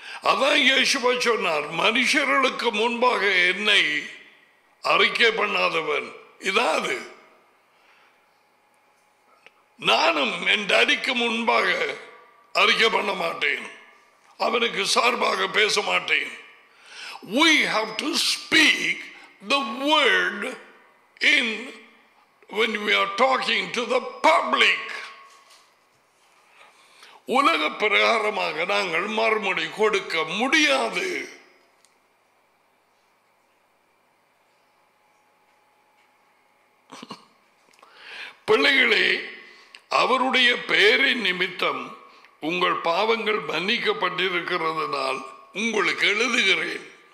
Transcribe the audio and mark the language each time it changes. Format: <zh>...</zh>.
<ta>அதான் யேசுவா சொன்னார், மனுஷர்களுக்கு முன்பாக என்னை அறிக்கை பண்ணாதவன் இதாது, நானும் என் டாடிக்கு முன்பாக அறிக்கை பண்ண மாட்டேன், அவனுக்கு சார்பாக பேச மாட்டேன்.</ta> <en>We have to speak the word in when we are talking to the public.</en> <ta>உலக பிரகாரமாக நாங்கள் மறுமொழி கொடுக்க முடியாது. பிள்ளைகளே, அவருடைய பெயரின் நிமித்தம் உங்கள் பாவங்கள் மன்னிக்கப்பட்டிருக்கிறதுனால் உங்களுக்கு எழுதுகிறேன்.</ta>